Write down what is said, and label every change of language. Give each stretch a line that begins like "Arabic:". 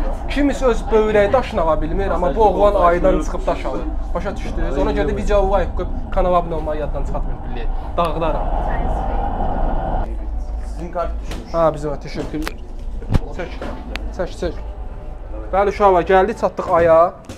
Azerbaijani: Kimisi öz böyrək daşını ala bilmir, ama bu oğlan aydan çıxıb daş alır.
Turkish: Başa düşdünüz, ona göre de videoyu like koyup kanala abone olmayı yaddan çıxatmayın bilir.
Azerbaijani: Dağlara. Sizin kart düşmüş.
Turkish: Ha, bizim var, teşekkür ederim. Çek, çek, çek.
Azerbaijani: Bəli uşaqlar, geldi çatdıq aya.